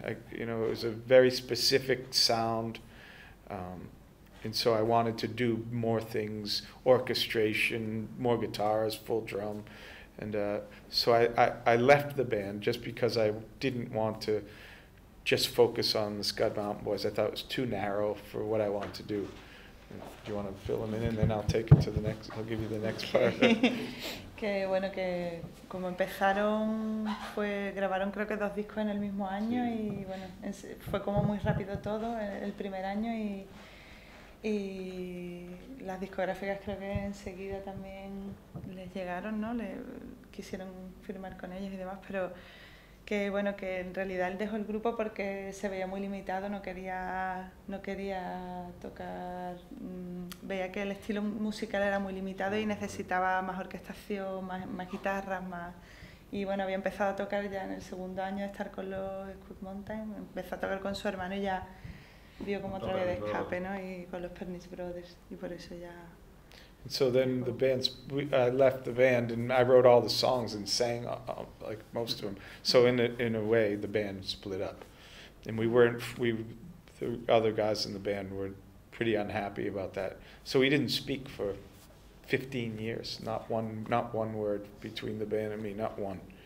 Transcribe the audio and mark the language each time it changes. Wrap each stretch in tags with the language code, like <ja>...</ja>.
<en>It was a very specific sound. And so I wanted to do more things, orchestration, more guitars, full drum. And so I left the band just because I didn't want to just focus on the SCUD Mountain Boys. I thought it was too narrow for what I wanted to do. Do you want to fill them in and then I'll take it to the next, I'll give you the next part.</en> <es>Que bueno, que como empezaron, fue, grabaron creo que dos discos en el mismo año, sí. Y bueno, fue como muy rápido todo el primer año y las discográficas creo que enseguida también les llegaron, ¿no? Quisieron firmar con ellos y demás, pero que bueno, que en realidad él dejó el grupo porque se veía muy limitado, no quería tocar, veía que el estilo musical era muy limitado y necesitaba más orquestación, más guitarras, más, y bueno, había empezado a tocar ya en el segundo año de estar con los SCUD Mountain, empezó a tocar con su hermano y ya vio como otra vez de escape, ¿no? Y con los Pernice Brothers, y por eso ya.</es> <en>And so then the band, I left the band, and I wrote all the songs and sang like most of them. So in a way, the band split up, and the other guys in the band were pretty unhappy about that. So we didn't speak for 15 years, not one word between the band and me, not one.</en>